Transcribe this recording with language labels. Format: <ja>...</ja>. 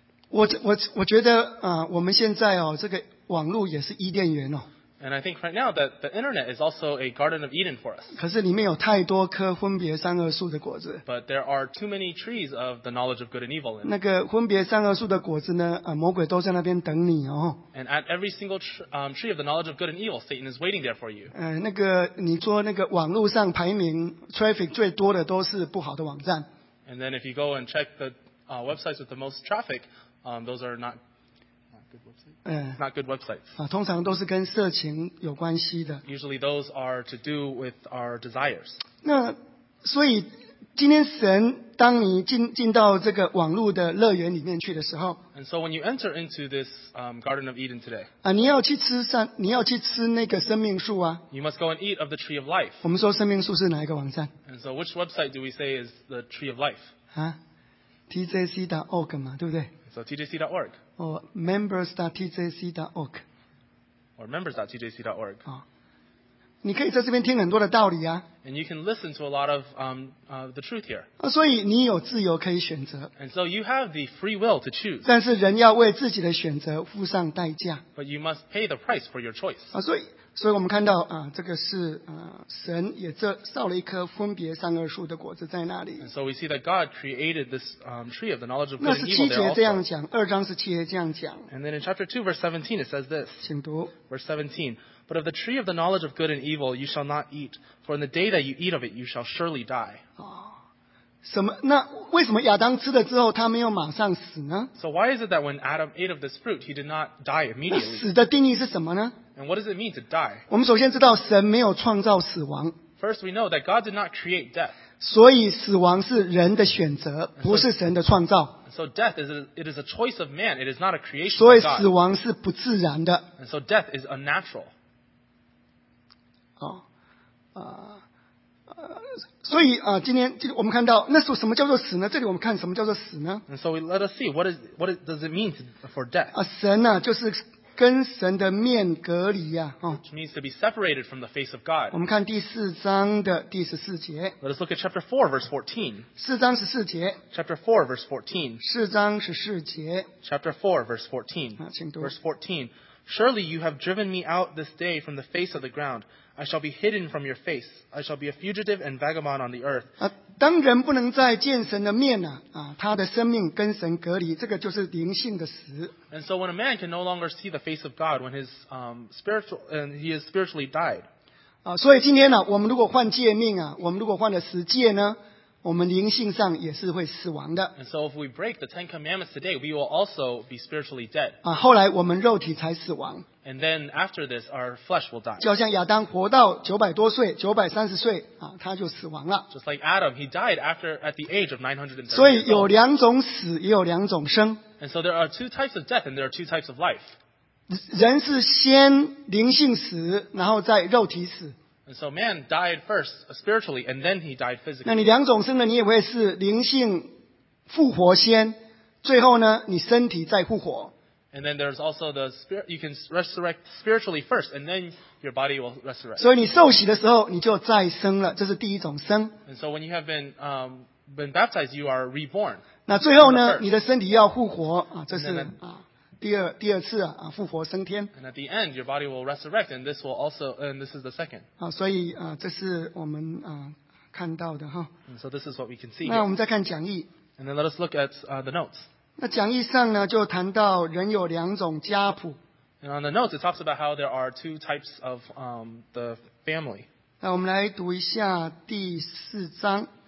<zh>我觉得我们现在哦，这个网络也是伊甸园哦。</zh> <en>And I think right now that the internet is also a garden of Eden for us.</en> <zh>可是里面有太多棵分别善恶树的果子。</zh> <en>But there are too many trees of the knowledge of good and evil.</en> <zh>那个分别善恶树的果子呢，魔鬼都在那边等你哦。</zh> <en>And at every single tree of the knowledge of good and evil, Satan is waiting there for you.</en> <zh>那个你说那个网络上排名 traffic 最多的都是不好的网站。</zh> <en>And then if you go and check the websites with the most traffic, those are not. Not good websites.</en> <zh>通常都是跟色情有关系的。</zh> <en>Usually those are to do with our desires.</en> <zh>那所以今天神当你 进到这个网络的乐园里面去的时候。</zh> <en>And so when you enter into this Garden of Eden today.</en> <zh>你要去吃那个生命树啊。</zh> <en>You must go and eat of the Tree of Life.</en> <zh>我们说生命树是哪一个网站。</zh> <en>And so which website do we say is the Tree of Life?</en> <zh>TJC.org 嘛，对不对？</zh> <en>So TJC.org. Or members.tjc.org. Or members.tjc.org.</en> <zh>你可以在这边听很多的道理啊。</zh> <en>And you can listen to a lot of the truth here.</en> <zh>所以你有自由可以选择。</zh> <en>And so you have the free will to choose.</en> <zh>但是人要为自己的选择付上代价。</zh> <en>But you must pay the price for your choice.</en> <zh>所以我们看到这个是神也造了一棵分别善恶树的果子在那里。</zh> <en>And so we see that God created this tree of the knowledge of good and evil there also.</en> <zh>那是七节这样讲，二章是七节这样讲。</zh> <en>And then in chapter 2 verse 17 it says this.</en> <zh>请读。</zh> <en>Verse 17. But of the tree of the knowledge of good and evil you shall not eat, for in the day that you eat of it you shall surely die.</en> <zh>那为什么亚当吃了之后他没有马上死呢？</zh> <en>So why is it that when Adam ate of this fruit he did not die immediately?</en> <zh>那死的定义是什么呢？</zh> <en>And what does it mean to die?</en> <zh>我们首先知道神没有创造死亡。</zh> <en>First, we know that God did not create death.</en> <zh>所以死亡是人的选择，不是神的创造。</zh> <en>So death is a choice of man. It is not a creation.</en> <zh>所以死亡是不自然的。</zh> <en>And so death is unnatural.</en> <zh>所以今天我们看到那时候什么叫做死呢？这里我们看什么叫做死呢</zh> <en>？And so let us see does it mean for death?</en> <zh>神呢就是。跟神的面隔离啊、</zh> <en>Which means to be separated from the face of God.</en> <zh>我们看第四章的第十四节。</zh> <en>Let us look at chapter 4, verse 14.</en> <zh>四章十四节。</zh> <en>Chapter 4, verse 14.</en> <zh>四章十四节。</zh> <en>Chapter 4, verse 14.</en> <zh>请读。</zh> <en>Verse 14. Surely you have driven me out this day from the face of the ground. I shall be hidden from your face. I shall be a fugitive and vagabond on the earth.</en> <zh>当人不能再见神的面他的生命跟神隔离，这个就是灵性的死。</zh> <en>And so when a man can no longer see the face of God, when his he is spiritually died.</en> <zh>所以今天我们如果换诫命我们如果换了十诫呢，我们灵性上也是会死亡的。</zh> <en>And so if we break the Ten Commandments today, we will also be spiritually dead.</en> <zh>后来我们肉体才死亡。</zh> <en>And then after this, our flesh will die.</en> <zh>就像亚当活到900多岁930岁他就死亡了。</zh> <en>Just like Adam, he died at the age of 930.</en> <zh>所以有两种死也有两种生。</zh> <en>And so there are two types of death and there are two types of life.</en> <zh>人是先灵性死然后再肉体死。</zh> <en>And so man died first spiritually and then he died physically.</en> <zh>那你两种生呢你也会是灵性复活先最后呢你身体再复活。</zh> <en>And then there's also the spirit, you can resurrect spiritually first, and then your body will resurrect.</en> <zh>所以你受洗的时候，你就再生了，这是第一种生。</zh> <en>And so when you have been baptized, you are reborn.</en> <zh>那最后呢，你的身体要复活，这是第二次复活升天。</zh> <en>And at the end, your body will resurrect, and this will also, and this is the second.</en> <zh>所以这是我们看到的哈。</zh> <en>So this is what we can see.</en> <zh>那我们再看讲义。</zh> <en>And then let us look at the notes.</en> <zh>那讲义上呢，就谈到人有两种家谱。</zh> <en>And on the notes, it talks about how there are two types of the family.</en> <zh>那我们来读一下第四章。</zh>